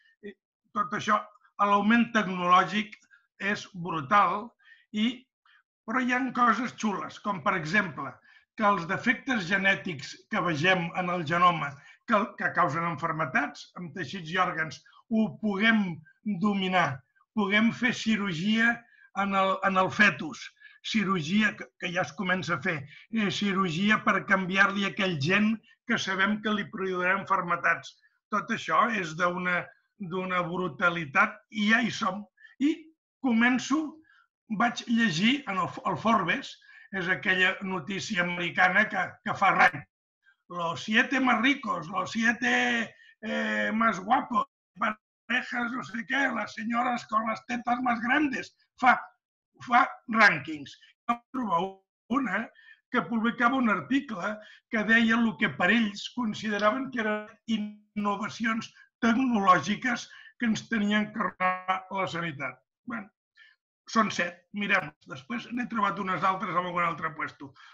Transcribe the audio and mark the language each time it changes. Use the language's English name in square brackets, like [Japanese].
[Catalan] I tot això, l'augment tecnològic és brutal, però hi ha coses xules, com per exemple, que els defectes genètics que vegem en el genoma que causen enfermetats amb teixits i òrgans, ho puguem dominar, puguem fer cirurgia en el fetus, cirurgia que ja es comença a fer, cirurgia per canviar-li aquell gen que sabem que li produirà enfermetats. Tot això és d'una brutalitat i ja hi som. I començo, vaig llegir en el Forbes, és aquella notícia americana que fa rany. [Spanish] Los siete más ricos, los siete más guapos, parejas, [Catalan] no sé què, [Spanish] las señoras con las tetas más grandes. [Catalan] Fa rànquings. Em trobo una que publicava un article que deia el que per ells consideraven que eren innovacions tecnològiques que ens tenien que robar la sanitat. Bé, són 7, mirem-les. Després n'he trobat unes altres en algun altre lloc.